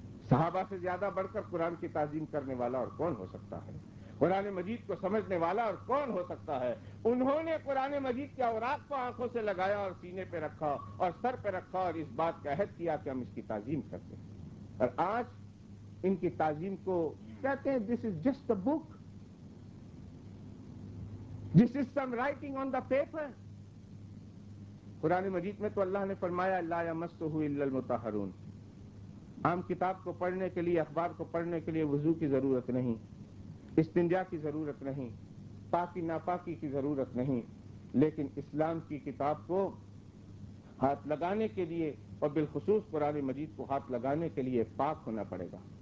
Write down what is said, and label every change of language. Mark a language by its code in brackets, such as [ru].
[ur] صحابہ سے زیادہ بڑھ کر قرآن کی تعظیم کرنے والا اور کون ہو سکتا ہے, قرآن مجید کو سمجھنے والا اور کون ہو سکتا ہے. انہوں نے قرآن مجید کے اوراق کو آنکھوں سے لگایا اور سینے پہ رکھا اور سر پہ رکھا اور اس بات کا عہد کیا کہ ہم اس کی تعظیم کرتے ہیں. اور آج ان کی تعظیم کو کہتے ہیں [en] This is just a book, This is some writing on the paper. [ur] قرآن مجید میں تو اللہ نے فرمایا [ar] لا یمسہ الا المطہرون. [ur] عام کتاب کو پڑھنے کے لیے، اخبار کو پڑھنے کے لیے وضو کی ضرورت نہیں، استنجا کی ضرورت نہیں، پاکی ناپاکی کی ضرورت نہیں، لیکن اسلام کی کتاب کو ہاتھ لگانے کے لیے اور بالخصوص قرآن مجید کو ہاتھ لگانے کے لیے پاک ہونا پڑے گا.